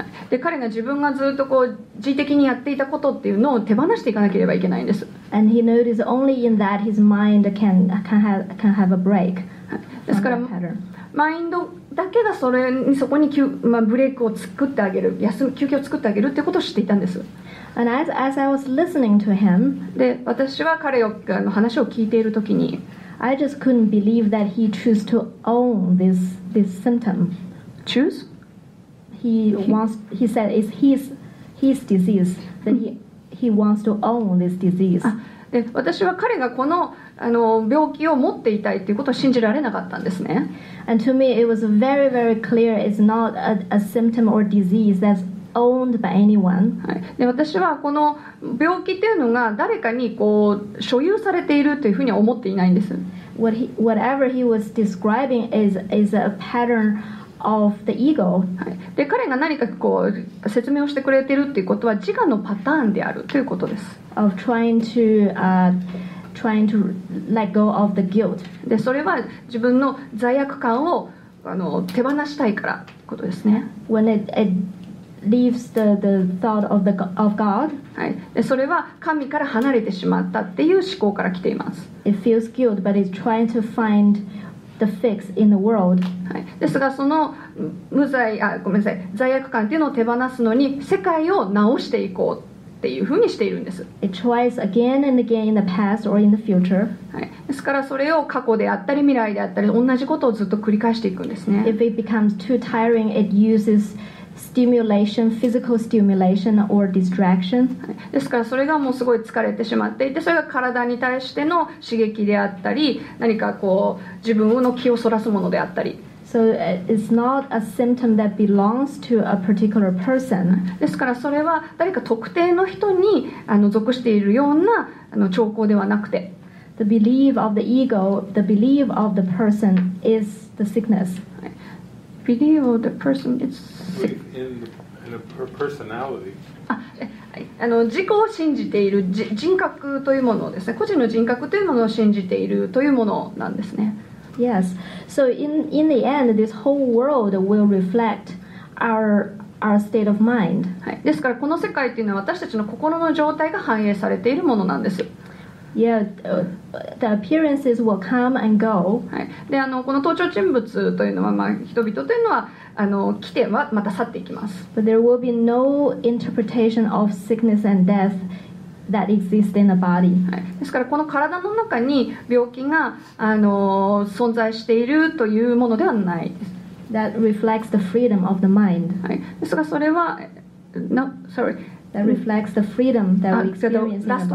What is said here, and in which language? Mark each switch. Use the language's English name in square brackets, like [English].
[Japanese] で、彼が自分がずっとこう自的にやっていたことっていうのを手放していかなければいけないんです。 [English] And he noticed only in that his mind can have a break. [Japanese] ですからマインドだけがそれにそこにブレイクを作ってあげる、休み休憩を作ってあげるってことを知っていたんです。 [English] And as I was listening to him, [Japanese] で、私は彼の話を聞いているときに [English] I just couldn't believe that he choose to own this symptom. Choose? He said it's his disease. Then he wants to own this disease. [Japanese] で、私は彼がこの病気を持っていたいということは信じられなかったんですね。 [English] And to me, it was very, very clear. It's not a symptom or disease that's owned by anyone. [Japanese] はい。で、私はこの病気というのが誰かにこう所有されているというふうには思っていないんです。 [English] Whatever he was describing is a pattern of the ego. [Japanese] はい。で、彼が何かこう説明をしてくれているということは自我のパターンであるということです。 [English] Of trying to let go of the guilt. [Japanese] で、それは自分の罪悪感を手放したいからということですね。 [English] When it leaves the thought of God. [Japanese] はい。で、それは神から離れてしまったっていう思考から来ています。 [English] It feels guilt, but it's trying to find the fix in the world. [Japanese] ですがその無罪あごめんなさい罪悪感というのを手放すのに世界を直していこうっていうふうにしているんです。 [English] It tries again and again in the past or in the future. [Japanese] ですからそれを過去であったり未来であったり同じことをずっと繰り返していくんですね。 [English] If it becomes too tiring, it uses stimulation, physical stimulation or distraction. [Japanese] ですからそれがもうすごい疲れてしまっていて、それが体に対しての刺激であったり、何かこう自分の気をそらすものであったり。 [English] So it's not a symptom that belongs to a particular person. [Japanese] ですからそれは誰か特定の人に属しているような兆候ではなくて。 [English] The belief of the ego, the belief of the person is the sickness. Belief of the person is sick. In a personality. [Japanese] あの自己を信じている人格というものですね。個人の人格というものを信じているというものなんですね。 [English] Yes. So in the end, this whole world will reflect our state of mind. [Japanese] はい。ですからこの世界というのは私たちの心の状態が反映されているものなんです。 [English] Yeah, the appearances will come and go. [Japanese] はい。で、この登場人物というのは、まあ、人々というのは来てはまた去っていきます。 [English] But there will be no interpretation of sickness and death. That exists in the body. [Japanese] はい、ですからこの体の中に病気が存在しているというものではないです。 [English] That reflects the freedom of the mind. [Japanese] はい、ですがそれは、 [English] no, sorry. That reflects the freedom that we experience last in the